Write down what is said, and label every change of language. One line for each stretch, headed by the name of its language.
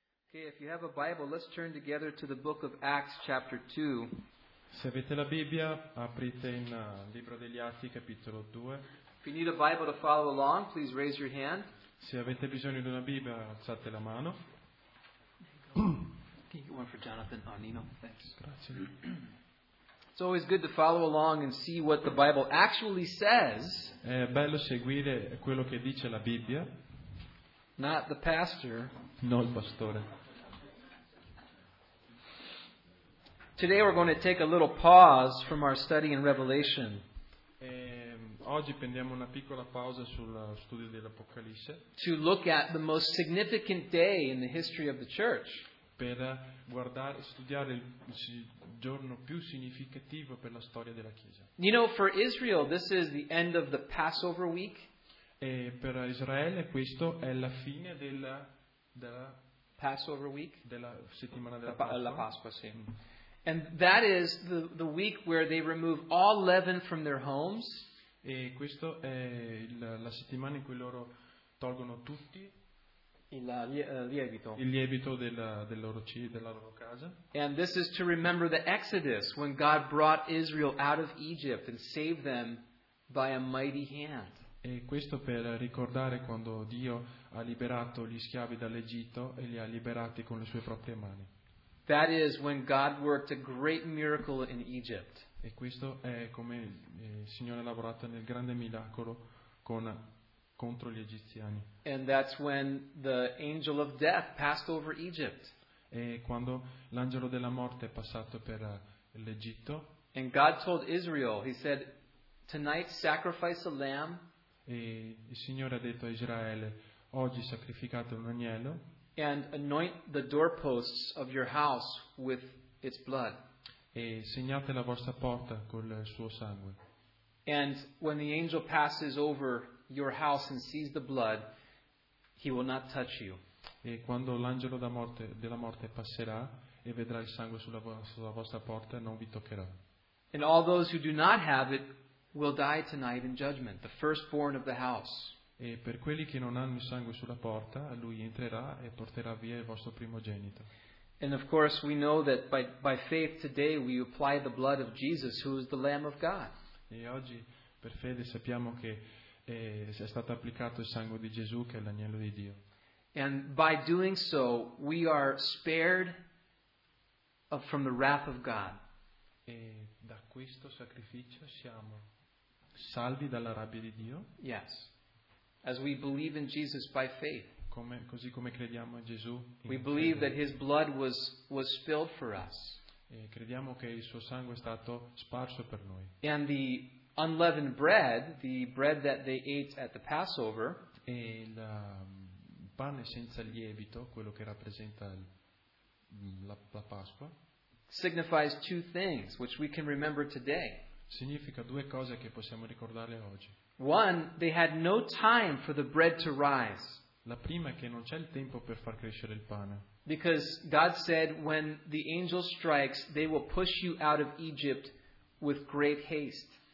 English: Okay, if you have a Bible, let's turn together to the book of Acts chapter 2.
Italian: Se avete la Bibbia, aprite in Libro degli Atti capitolo 2.
English: If you need a Bible to follow along, please raise your hand.
Italian: Se avete bisogno di una Bibbia, alzate la mano.
English: Can you get one for Jonathan? Oh, Nino, thanks.
Italian: Grazie.
English: It's always good to follow along and see what the Bible actually says.
Italian: È bello seguire quello che dice la Bibbia.
English: Not the pastor.
Italian: No, il pastore.
English: Today we're going to take a little pause from our study in Revelation.
Italian: Oggi prendiamo una piccola pausa sullo studio dell'Apocalisse.
English: To look at the most significant day in the history of the church.
Italian: Per guardare, studiare il giorno più significativo per la storia della Chiesa.
English: You know, for Israel, this is the end of the Passover week.
Italian: E per Israele questo è la fine della
English: Passover week,
Italian: della settimana della Pasqua. La Pasqua, sì.
English: And that is the week where they remove all leaven from their homes.
Italian: E questo è la settimana in cui loro tolgono tutti il lievito della loro casa.
English: And this is to remember the Exodus when God brought Israel out of Egypt and saved them by a mighty hand.
Italian: E questo per ricordare quando Dio ha liberato gli schiavi dall'Egitto e li ha liberati con le sue proprie mani.
English: That is when God worked a great miracle in Egypt.
Italian: E questo è come il Signore ha lavorato nel grande miracolo contro gli egiziani.
English: And that's when the angel of death passed over Egypt.
Italian: E quando l'angelo della morte è passato per l'Egitto.
English: And God told Israel, he said, tonight sacrifice a lamb.
Italian: E il Signore ha detto a Israele, oggi sacrificate un agnello.
English: And anoint the doorposts of your house with its blood.
Italian: E segnate la vostra porta col suo sangue.
English: And when the angel passes over your house and sees the blood, he will not touch you.
Italian: E quando l'angelo della morte passerà e vedrà il sangue sulla vostra porta, non vi toccherà.
English: And all those who do not have it will die tonight in judgment, the firstborn of the house.
Italian: E per quelli che non hanno il sangue sulla porta, lui entrerà e porterà via il vostro primogenito.
English: And of course we know that by faith today we apply the blood of Jesus, who is the Lamb of God.
Italian: E oggi per fede sappiamo che è stato applicato il sangue di Gesù, che è l'agnello di Dio.
English: And by doing so we are spared from the wrath of God.
Italian: E da questo sacrificio siamo salvi dalla rabbia di Dio.
English: Yes. As we believe in Jesus by faith.
Italian: Così come crediamo in Gesù.
English: We believe that his blood was spilled for us.
Italian: E crediamo che il suo sangue è stato sparso per noi.
English: And the unleavened bread, the bread that they ate at the Passover,
Italian: e il pane senza lievito, quello che rappresenta la Pasqua,
English: signifies two things which we can remember today.
Italian: Significa due cose che possiamo ricordare oggi.
English: One, they had no time for the bread to rise.
Italian: La prima è che non c'è il tempo per far crescere il pane.
English: Because God said when the angel strikes, they will push you out of Egypt with great haste.